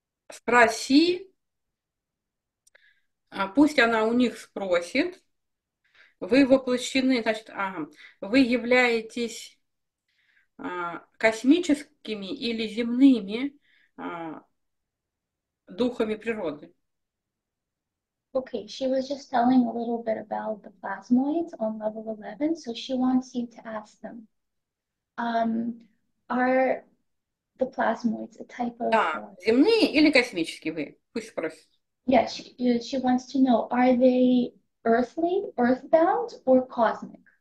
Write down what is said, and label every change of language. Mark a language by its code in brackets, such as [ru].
[ru] Спроси, пусть она у них спросит. Вы воплощены, значит, вы являетесь космическими или земными духами природы. [en] Okay, she was just telling a little bit about the plasmoids on level 11, so she wants you to ask them, are the plasmoids a type of... [ru] Да, земные или космические вы? Пусть спросит. [en] Yeah, she wants to know, are they earthly, earthbound or cosmic?